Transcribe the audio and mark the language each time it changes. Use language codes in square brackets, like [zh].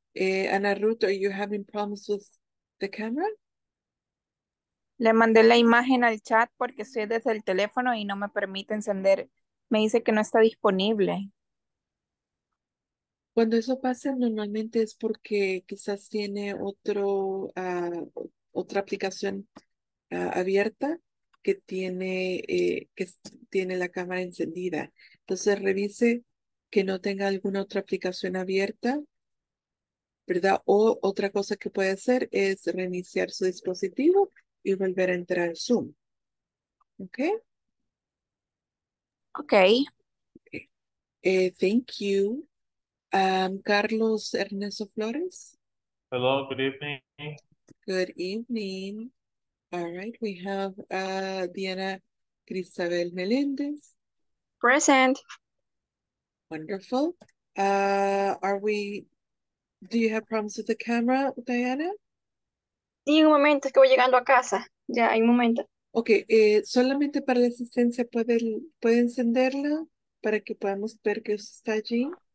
[en] Ana Ruth, are you having problems with the camera? [es] Le mandé la imagen al chat porque estoy desde el teléfono y no me permite encender. Me dice que no está disponible. Cuando eso pasa, normalmente es porque quizás tiene otro, otra aplicación abierta que tiene la cámara encendida. Entonces revise que no tenga alguna otra aplicación abierta, ¿verdad? O otra cosa que puede hacer es reiniciar su dispositivo y volver a entrar al Zoom. ¿Ok? Ok. [en] Thank you. Carlos Ernesto Flores. Hello, good evening. Good evening. All right, we have Diana Cristabel Meléndez. Present. Wonderful. Do you have problems with the camera, Diana? [es] Sí, un momento, es que voy llegando a casa. Ya, hay un momento. Ok, solamente para la asistencia, ¿puede encenderla para que podamos ver que está allí?